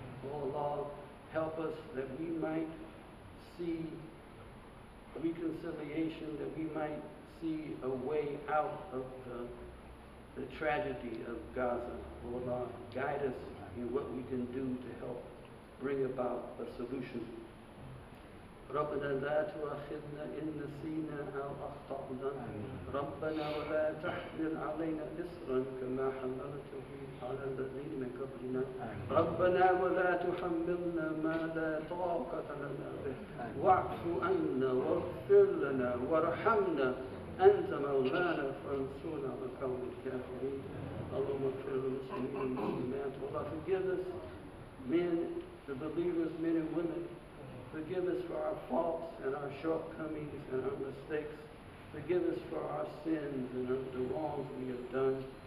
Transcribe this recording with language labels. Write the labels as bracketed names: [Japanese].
[English] O Allah, help us that we might see reconciliation, that we might see a way out of the tragedy of Gaza. O Allah, guide us in what we can do to help bring about a solution. [Arabic] ربنا لا تؤاخذنا إن نسينا أو أخطأنا. ربنا ولا تحمل علينا إصرا كما حملته على الذين من قبلنا. ربنا ولا تحملنا ما لا طاقة لنا به. واعف عنا واغفر لنا وارحمنا. أنت مولانا فانصرنا على القوم الكافرين. اللهم اغفر للمسلمين والمسلمات. [English] والله forgive us, men, the believers, men and women. Forgive us for our faults and our shortcomings and our mistakes. Forgive us for our sins and the wrongs we have done.